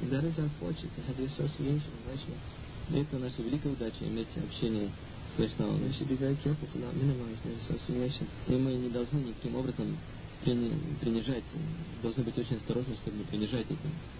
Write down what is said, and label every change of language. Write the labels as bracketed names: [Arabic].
[English] That is our fortune, to have the association with Vaishnava. [Russian] Это наша великая удача, иметь общение с Вайшнавами. [English] We should be very careful to not minimize their association. [Russian] И мы не должны никаким образом принижать, должны быть очень осторожны, чтобы не принижать этим.